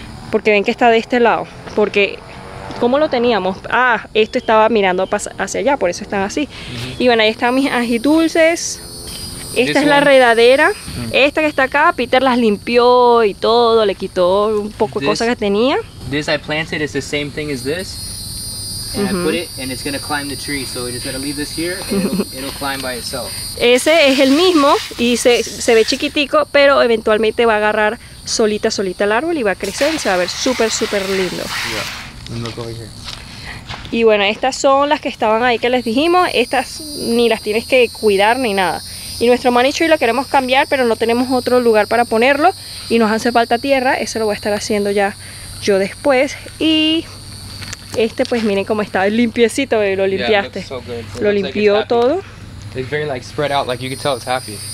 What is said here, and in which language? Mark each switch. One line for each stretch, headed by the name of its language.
Spanish: Porque ven que está de este lado. Porque, ¿cómo lo teníamos? Ah, esto estaba mirando hacia allá, por eso están así. Y bueno, ahí están mis ajidulces. Esta es la enredadera. Esta que está acá, Peter las limpió y todo, le quitó un poco de cosas que tenía.
English: This I planted is the same thing as this. And I put it and it's going to climb the tree. So we're just going to leave this here and it'll climb by itself.
Spanish: Ese es el mismo y se ve chiquitico, pero eventualmente va a agarrar solita el árbol y va a crecer y se va a ver súper lindo. Y bueno, estas son las que estaban ahí que les dijimos. Estas ni las tienes que cuidar ni nada. Y nuestro money tree lo queremos cambiar, pero no tenemos otro lugar para ponerlo y nos hace falta tierra. Eso lo voy a estar haciendo ya yo después. Y este, pues miren cómo está, limpiecito, baby, lo limpiaste. Lo limpió todo.
English: It's very like spread out, like you can tell it's happy.